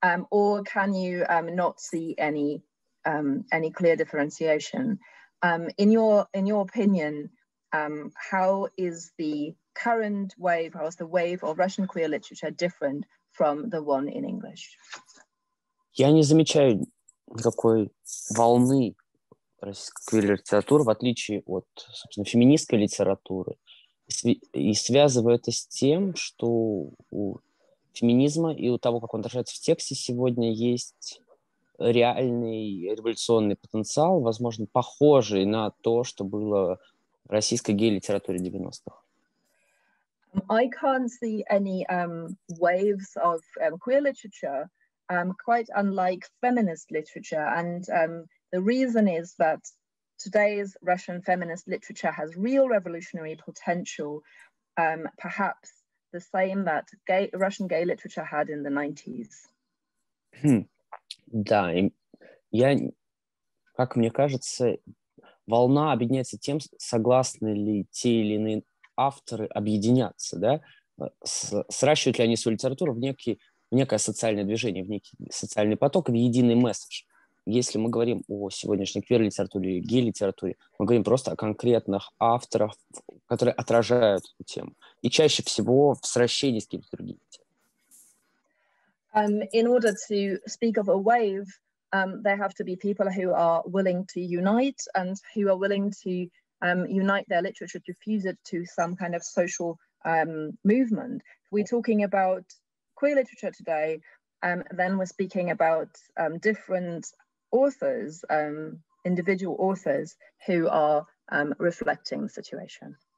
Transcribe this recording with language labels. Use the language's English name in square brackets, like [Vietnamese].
[English] Or can you not see any clear differentiation? In your opinion, how is the current wave, how is the wave of Russian queer literature different from the one in English? [Russian] Я не замечаю никакой волны российской квир-литературы, в отличие от, собственно, феминистской литературы. И связываю это с тем, что у феминизма и у того, как он отражается в тексте сегодня, есть реальный революционный потенциал, возможно, похожий на то, что было в российской гей-литературе 90-х. [English] I can't see any waves of queer literature, quite unlike feminist literature. And the reason is that today's Russian feminist literature has real revolutionary potential, perhaps the same that Russian gay literature had in the 90s. [Russian] Да, как мне кажется, волна объединяется тем, согласны ли те или иные авторы объединяться, да, сращивают ли они свою литературу в некое социальное движение, в некий социальный поток, в единый месседж. Если мы говорим о сегодняшней квир-литературе или гей-литературе, мы говорим просто о конкретных авторах, которые отражают эту тему. И чаще всего в сращении с какими-то другими темами. [English] In order to speak of a wave, there have to be people who are willing to unite and who are willing to unite their literature to fuse it to some kind of social movement. We're talking about queer literature today, then we're speaking about different authors, individual authors who are reflecting the situation.